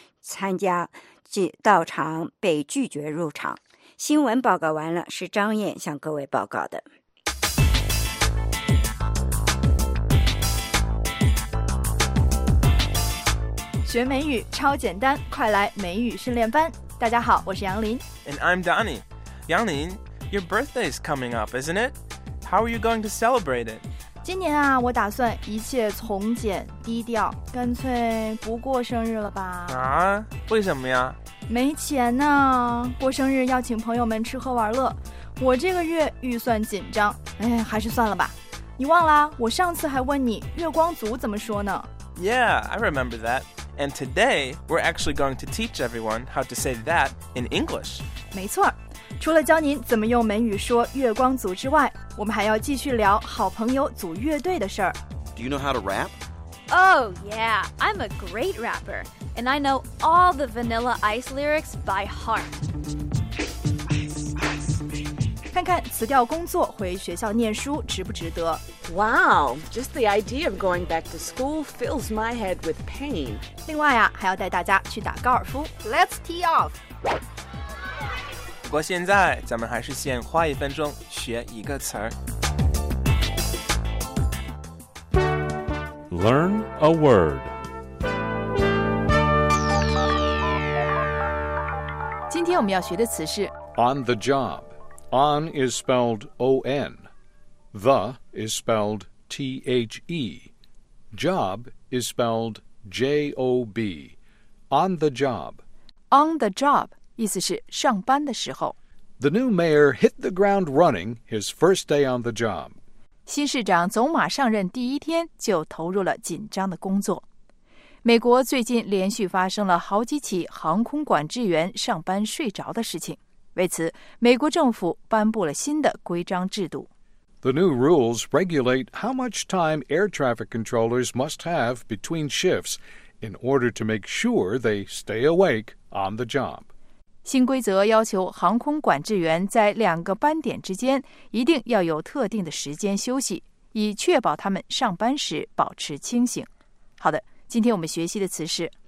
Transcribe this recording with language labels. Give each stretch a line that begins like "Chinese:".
Chinese: 参加到场被拒绝入场。新闻报告完了，是张燕向各位报告的。学美语超简单，快来美语训练班。大家好，我是杨林。
English: And I'm Donnie. 杨林， your birthday is coming up, isn't it? How are you going to celebrate it?
Chinese: 今年啊，我打算一切从简低调，干脆不过生日了吧。啊，为什么呀？没钱呢，过生日要请朋友们吃喝玩乐，我这个月预算紧张，哎，还是算了吧。你忘了，我上次还问你月光族怎么说呢？
English: Yeah, I remember that. And today, we're actually going to teach everyone how to say that in English.
Chinese: 没错，除了教您怎么用美语说月光族之外，我们还要继续聊好朋友组乐队的事儿。
English: Do you know how to rap? Oh yeah, I'm a great rapper. And I know all the Vanilla Ice lyrics by heart. Ice, ice,
Chinese: 看看辞掉工作回学校念书值不值得。
English: Wow, just the idea of going back to school fills my head with pain.
Chinese: 另外啊，还要带大家去打高尔夫。
English: Let's tee off.
Chinese: 不过现在咱们还是先花一分钟学一个词儿。
English: Learn a word.
Chinese: 今天我们要学的词是
English: on the job. On is spelled O-N. The is spelled T-H-E. Job is spelled J-O-B. On the job.
Chinese: On the job, 意思是上班的时候。
English: The new mayor hit the ground running his first day on the job.
Chinese: 新市长走马上任第一天就投入了紧张的工作。美国最近连续发生了好几起航空管制员上班睡着的事情。为此，美国政府颁布了新的规章制度。
English: The new rules regulate how much time air traffic controllers must have between shifts in order to make sure they stay awake on the job.
Chinese: 新规则要求航空管制员在两个班点之间一定要有特定的时间休息，以确保他们上班时保持清醒。好的，今天我们学习的词是